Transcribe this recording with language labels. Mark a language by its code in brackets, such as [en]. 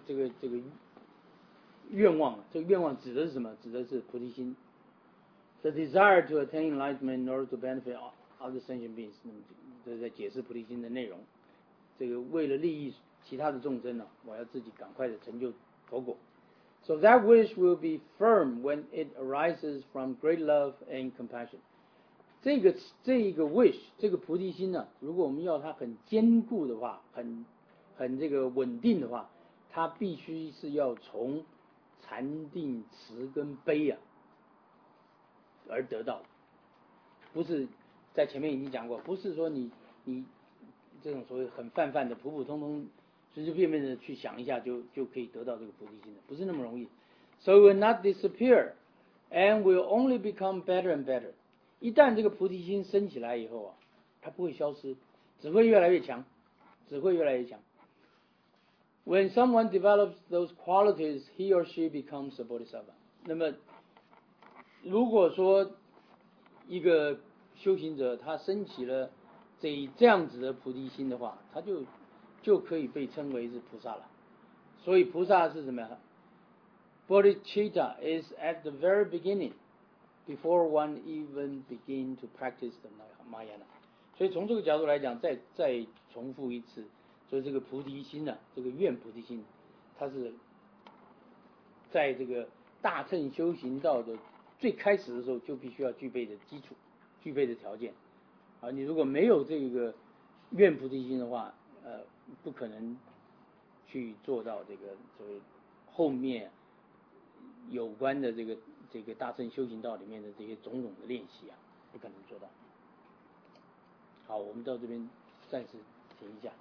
[zh] 这个愿望，这个愿望指的是什么？指的是菩提心。 [en] The desire to attain enlightenment in order to benefit other sentient beings. [zh] 这是在解释菩提心的内容。这个为了利益其他的众生呢，我要自己赶快的成就佛果。 [en] So that wish will be firm when it arises from great love and compassion. [zh] 这个 wish, 这个菩提心呢，如果我们要它很坚固的话，很这个稳定的话，它必须是要从禅定慈跟悲啊而得到的。不是在前面已经讲过，不是说你这种所谓很泛泛的普普通通随随便便的去想一下就可以得到这个菩提心的，不是那么容易。 [en] So it will not disappear and will only become better and better. [zh] 一旦这个菩提心升起来以后啊，它不会消失，只会越来越强，只会越来越强。 [en] When someone develops those qualities, he or she becomes a bodhisattva. [zh] 那么如果说一个修行者他升起了这样子的菩提心的话，他就可以被称为是菩萨了。所以菩萨是什么呀？ [en] Bodhicitta is at the very beginning, before one even begin to practice the Mahayana. [zh] 所以从这个角度来讲，再重复一次，所以这个菩提心呢，这个愿菩提心，它是在这个大乘修行道的最开始的时候就必须要具备的基础，具备的条件。啊，你如果没有这个愿菩提心的话，不可能去做到这个所谓后面有关的这个大乘修行道里面的这些种种的练习啊，不可能做到。好，我们到这边暂时停一下。